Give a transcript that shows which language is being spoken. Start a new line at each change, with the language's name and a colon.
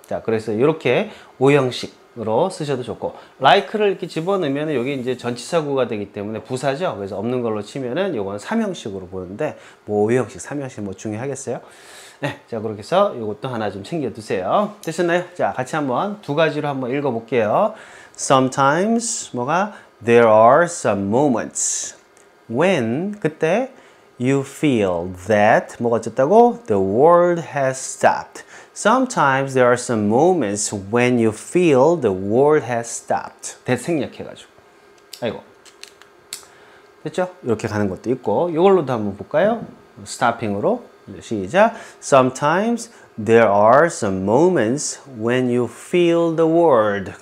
Korean: 자, 그래서 이렇게 5형식으로 쓰셔도 좋고, like를 이렇게 집어넣으면 여기 이제 전치사구가 되기 때문에 부사죠. 그래서 없는 걸로 치면은 이건 3형식으로 보는데, 뭐 5형식, 3형식 뭐 중요하겠어요? 네, 자, 그렇게 해서 이것도 하나 좀 챙겨두세요. 되셨나요? 자, 같이 한번 두 가지로 한번 읽어볼게요.
English: Sometimes,
Korean: 뭐가?
English: There are some moments when,
Korean: 그때,
English: you feel that,
Korean: 뭐가 어쨌다고?
English: The world has stopped. Sometimes there are some moments when you feel the world has stopped.
Korean: 대생략해가지고. 아이고. 됐죠? 이렇게 가는 것도 있고, 이걸로도 한번 볼까요?
English: Stopping
Korean: 으로. 시작.
English: Sometimes there are some moments when you feel the world.